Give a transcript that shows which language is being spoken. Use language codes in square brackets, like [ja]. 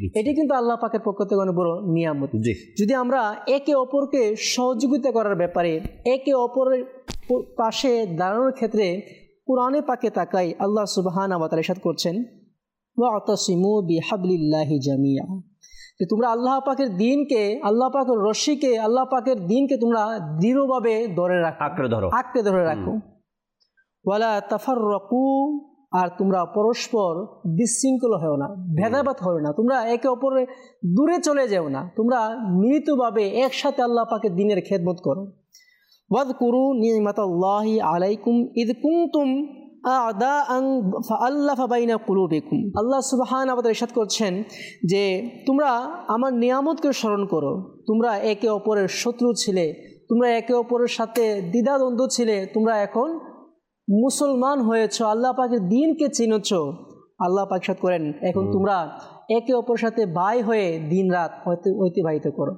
[bn] এটি কিন্তু আল্লাহ পাকের পক্ষ থেকে অনেক বড় নিয়ামত। যদি আমরা একে অপরকে সহযোগিতা করার ব্যাপারে, একে অপরের পাশে দাঁড়ানোর ক্ষেত্রে কোরআনে পাকে তাকাই, আল্লাহ সুবহান ওয়া তাআলা ইরশাদ করছেন, [ar] ওয়া আতাসিমু বিহাবলিল্লাহি জামিয়া, [bn] যে তোমরা আল্লাহ পাকের দিনকে, আল্লাহ পাকের রশিকে, আল্লাহ পাকের দিনকে তোমরা দৃঢ়ভাবে ধরে রাখো, আঁকড়ে ধরে রাখো। [ar] ওয়ালা তাফাররাকু, [bn] আর তোমরা পরস্পর বিশৃঙ্খল হও না, ভেদাভেদ হও না, তোমরা একে অপরের দূরে চলে যেও না, তোমরা মিলিতভাবে একসাথে আল্লাহ পাকের দিনের খেদমত করো। [ar] واذكروا نعمت الله عليكم اذ كنتم اعداء فالف بين قلوبكم। [bn] আল্লাহ সুবহানাহু ওয়া তাআলা ইরশাদ করছেন যে তোমরা আমার নিয়ামতকে স্মরণ করো, তোমরা একে অপরের শত্রু ছিলে, তোমরা একে অপরের সাথে দ্বিধাদ্বন্দ্ব ছিলে, তোমরা এখন মুসলমান হয়েছো, আল্লাহ পাকের দিনকে চিনেছো। আল্লাহ পাক ইরশাদ করেন, এখন তোমরা একে অপরের সাথে ভাই হয়ে দিন রাত অতিবাহিত করো।